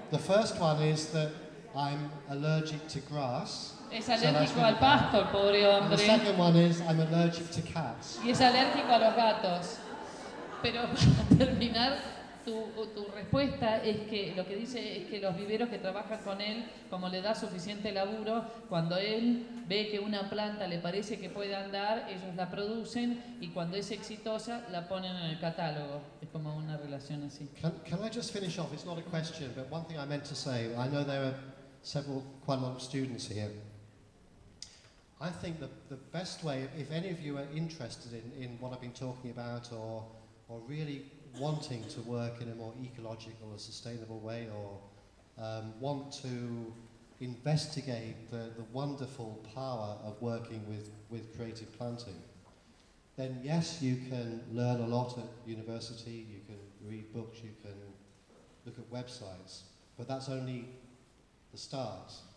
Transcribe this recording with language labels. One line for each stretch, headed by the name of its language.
English: The first one is that I'm allergic to grass.
Spanish: Es alérgico al pasto, el pobre hombre.
English: And the second one is I'm allergic to cats.
Spanish: Y es alérgico a los gatos. Pero para terminar, tu respuesta es que lo que dice es que los viveros que trabajan con él, como le da suficiente laburo, cuando él ve que una planta le parece que puede andar, ellos la producen y cuando es exitosa la ponen en el catálogo. Es como una relación así.
English: Can I just finish off? It's not a question, but one thing I meant to say. I know there are several, quite a lot of students here. I think the best way, if any of you are interested in what I've been talking about or really wanting to work in a more ecological or sustainable way, or want to investigate the wonderful power of working with creative planting, then yes, you can learn a lot at university, you can read books, you can look at websites, but that's only the start.